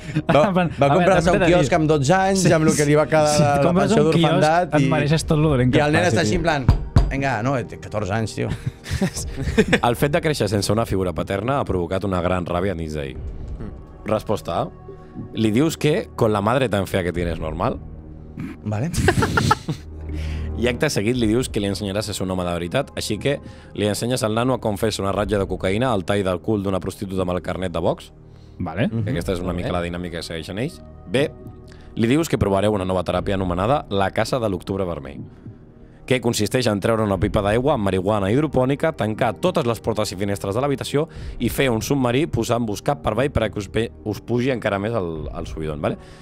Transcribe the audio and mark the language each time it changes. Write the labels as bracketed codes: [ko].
[ca] Va comprar-se un quiosc amb 12 anys, amb el que li va quedar la pensió d'orfandat. Et mereixes tot el dolent que fa. I el nen està així en plan... Vinga, no, té 14 anys, tio. El fet de créixer sense una figura paterna ha provocat una gran ràbia a dins d'ell. Resposta A. Li dius que [es] con la madre tan fea que tienes normal. [ca] Vale. I acte seguit li dius que li ensenyaràs a ser un home de veritat, així que li ensenyes al nano a com fer-se una ratlla de cocaïna al tall del cul d'una prostituta amb el carnet de Vox. Vale. Aquesta és una mica la dinàmica que segueixen ells. B. Li dius que provareu una nova teràpia anomenada la Casa de l'Octubre Vermell, que consisteix en treure una pipa d'aigua amb marihuana hidropònica, tancar totes les portes i finestres de l'habitació i fer un submarí posant-vos cap per avall perquè us pugi encara més el subidon. Vale?